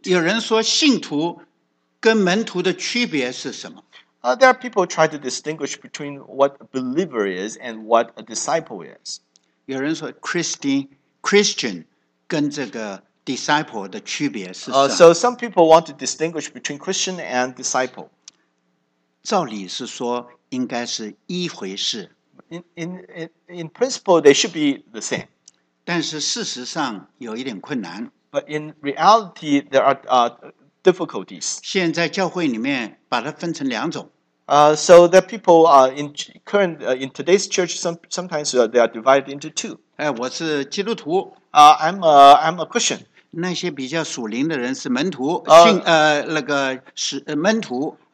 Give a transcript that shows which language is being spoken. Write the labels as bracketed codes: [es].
[zh] 有人说信徒跟门徒的区别是什么？ [en] There are people try to distinguish between what a believer is and what a disciple is. [zh] 有人说 Christian 跟这个 disciple 的区别是什么？ [en] So some people want to distinguish between Christian and disciple. [zh] 照理是说。应该是一回事。 [en] in principle, they should be the same. [zh] 但是事实上有一点困难。 [en] But in reality, there are difficulties. [zh] 现在教会里面把它分成两种。 [en] So the people are in current in today's church. Sometimes they are divided into two. [zh] 哎，我是基督徒。 [en] I'm a Christian. [zh] 那些比较属灵的人是门徒，那个是门徒。